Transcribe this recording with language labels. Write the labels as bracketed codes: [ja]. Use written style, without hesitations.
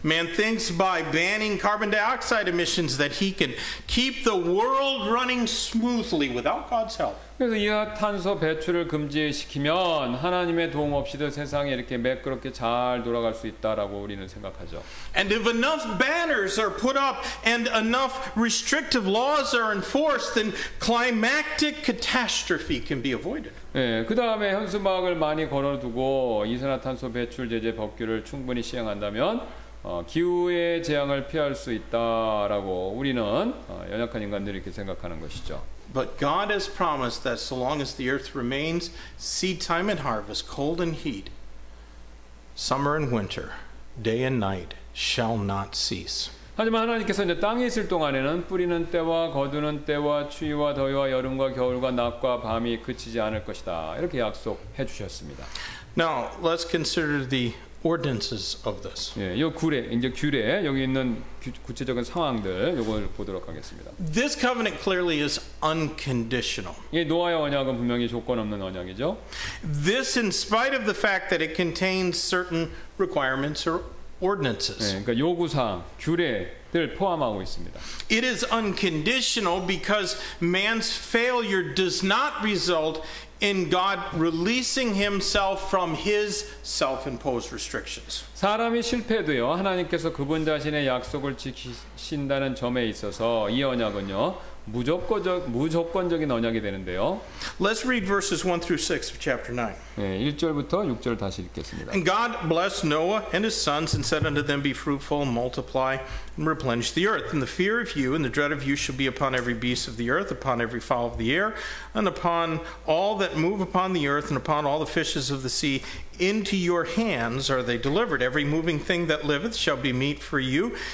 [en] Man thinks by banning carbon dioxide emissions that he can keep the world running smoothly without God's help. [ko] 그래서 이산화탄소 배출을 금지시키면 하나님의 도움 없이도 세상이 이렇게 매끄럽게 잘 돌아갈 수 있다라고 우리는 생각하죠. [en] And if enough banners are put up and enough restrictive laws are enforced, then climactic catastrophe can be avoided. [ko] 예, 그 다음에 현수막을 많이 걸어두고 이산화탄소 배출 제재 법규를 충분히 시행한다면 기후의 재앙을 피할 수 있다라고 우리는 연약한 인간들이 이렇게 생각하는 것이죠. [en] But God has promised that so long as the earth remains, seed time and harvest, cold and heat, summer and winter, day and night shall not cease. [ko] 하지만 하나님께서 이제 땅에 있을 동안에는 뿌리는 때와 거두는 때와 추위와 더위와 여름과 겨울과 낮과 밤이 그치지 않을 것이다. 이렇게 약속해 주셨습니다. [en] Now, let's consider the ordinances of this. [ko] 예, 규례 여기 있는 구체적인 상황들 요걸 보도록 하겠습니다. [en] This covenant clearly is unconditional. [ko] 예, 노아의 언약은 분명히 조건 없는 언약이죠. [en] This in spite of the fact that it contains certain requirements or ordinances. [ko] 예, 그러니까 요구사항, 규례를 포함하고 있습니다. [en] It is unconditional because man's failure does not result in God releasing himself from his self-imposed restrictions. [ko] 사람이 실패해도요, 하나님께서 그분 자신의 약속을 지키신다는 점에 있어서 이 언약은요, 무조건적인 언약이 되는데요. [en] Let's read verses 1 through 6 of chapter 9. [ko] 예, 1절부터 6절 다시 읽겠습니다. [en] And God blessed Noah and his sons and said unto them, Be fruitful, multiply, and replenish the earth. And the fear of you and the dread of you shall be upon every beast of the earth, upon every fowl of the air, and upon all that move upon the earth, and upon all the fishes of the sea. Into your hands are they delivered. Every moving thing that liveth shall be meat for you.